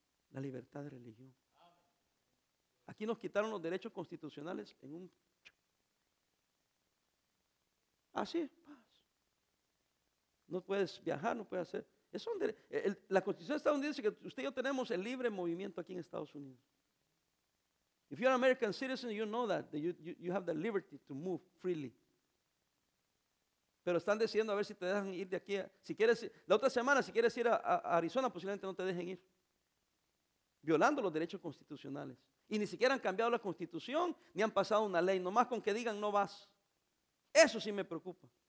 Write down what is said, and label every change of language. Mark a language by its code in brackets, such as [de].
[es] La libertad de religión. Aquí nos quitaron los derechos constitucionales en un. Así es. No puedes viajar, no puedes hacer. La constitución de Estados Unidos dice que usted y yo tenemos el libre movimiento aquí en Estados Unidos. [en] If you're an American citizen, you know that you have the liberty to move freely. [es] Pero están decidiendo a ver si te dejan ir de aquí. Si quieres, la otra semana, si quieres ir a Arizona, posiblemente no te dejen ir. Violando los derechos constitucionales. Y ni siquiera han cambiado la constitución, ni han pasado una ley. Nomás con que digan no vas. Eso sí me preocupa.